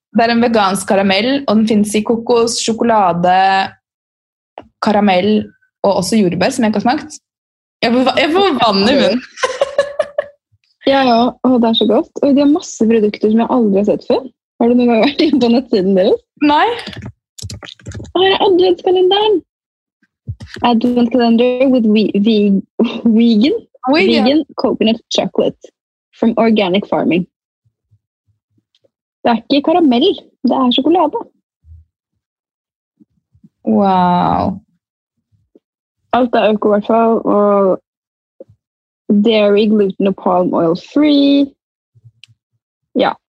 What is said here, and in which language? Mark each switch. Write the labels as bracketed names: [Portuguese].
[Norwegian] Det en vegansk karamell, og den finnes i kokos, sjokolade, karamell og også jordbær som jeg ikke har smakt. Jeg får vann i munnen. Ja, og det så godt. Og de har masse produkter som jeg aldri har sett før. Har du noen gang vært inn på nettsiden deres? Nei. Her adventskalenderen. [English] Adventskalender with vegan coconut chocolate from organic farming. [Norwegian] Det ikke karamell, det sjokolade. Wow. Alt øko, I hvert fall, og [English] dairy, [Norwegian] gluten og [English] palm oil free. [Norwegian] Ja.